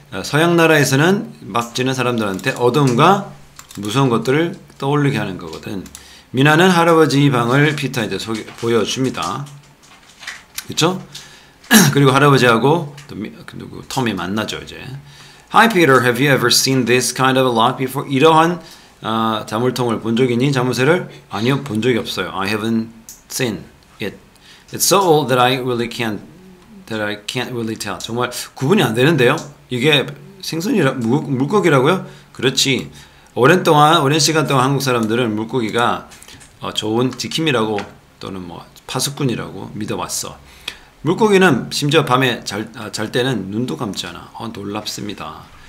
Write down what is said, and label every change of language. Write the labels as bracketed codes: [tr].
[ko] 서양 나라에서는 박쥐는 사람들한테 어둠과 무서운 것들을 떠올리게 하는 거거든. 미나는 할아버지 방을 피터한테 보여줍니다. 그쵸? 그리고 할아버지하고 톰이 만나죠, 이제. [en] Hi Peter, have you ever seen this kind of a lock before? [ko] 이러한 자물통을 본 적 있니? 자물쇠를? 아니요, 본 적이 없어요. [en] I haven't seen it. It's so old that I can't really tell. [ko] 정말 구분이 안 되는데요? 이게 생선이라 물고기라고요? 그렇지. 오랜 시간 동안 한국 사람들은 물고기가 좋은 지킴이라고 또는 뭐 파수꾼이라고 믿어왔어. 물고기는 심지어 밤에 잘 때는 눈도 감지 않아. 놀랍습니다.